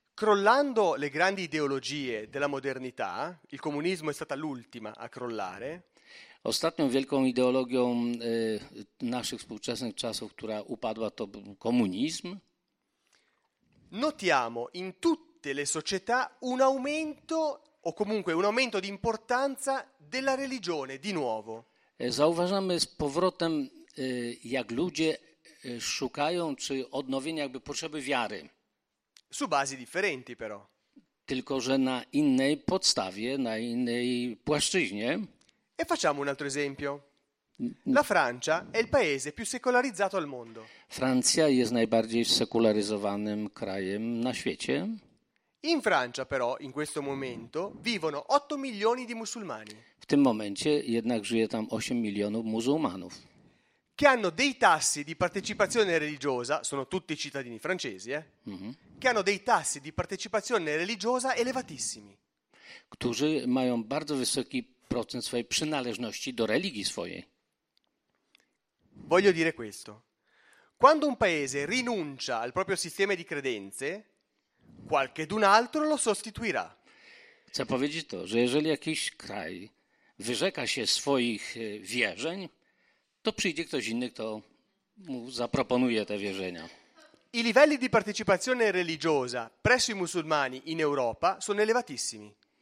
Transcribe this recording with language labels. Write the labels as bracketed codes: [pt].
[it] Crollando le grandi ideologie della modernità, il comunismo è stata l'ultima a crollare. [pl] Ostatnią wielką ideologią naszych współczesnych czasów, która upadła, to komunizm. [it] Notiamo in tutte le società un aumento o comunque un aumento di importanza della religione di nuovo. [pl] Zauważamy z powrotem, jak ludzie szukają czy odnowienia jakby potrzeby wiary. [it] Su basi differenti però. [pl] Tylko że na innej podstawie, na innej płaszczyźnie. [it] E facciamo un altro esempio. La Francia è il paese più secolarizzato al mondo. [pl] Francja jest najbardziej sekularyzowanym krajem na świecie. [it] In Francia però, in questo momento, vivono 8 milioni di musulmani. [pl] W tym momencie jednak żyje tam 8 milionów muzułmanów. [it] Che hanno dei tassi di partecipazione religiosa, sono tutti cittadini francesi, che hanno dei tassi di partecipazione religiosa elevatissimi. [pl] Którzy mają bardzo wysoki procent swojej przynależności do religii swojej. [it] Voglio dire questo. Quando un paese rinuncia al proprio sistema di credenze, qualchedun altro lo sostituirà. [pl] Chcę powiedzieć to, że jeżeli jakiś kraj wyrzeka się swoich wierzeń, to przyjdzie ktoś inny, kto mu zaproponuje te wierzenia. [it] I livelli di partecipazione religiosa presso i musulmani in Europa sono elevatissimi.